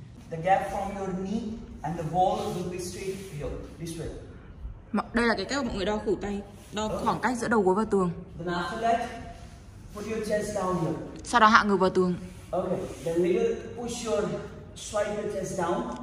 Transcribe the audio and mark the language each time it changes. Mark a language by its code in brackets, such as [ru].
[en] The gap from your knee and the wall will be straight here, this way. [vi] Đây là cái cách mọi người đo khuỷu tay. Đo khoảng cách giữa đầu gối và tường. [en] Then after that, put your chest down here. [vi] Sau đó hạ ngực vào tường. [en] Okay, then we will push your, sway your chest down.